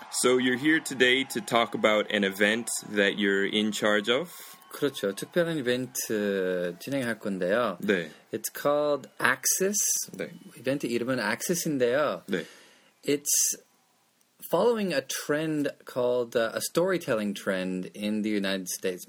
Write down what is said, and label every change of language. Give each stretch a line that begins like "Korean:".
English: So you're here today to talk about an event that you're in charge of?
Korean: 그렇죠. 특별한 이벤트 진행할 건데요. 네.
English: It's called Axis.
Korean: 네. 이벤트 이름은 Axis인데요. 네.
English: It's following a trend called a storytelling trend in the United States.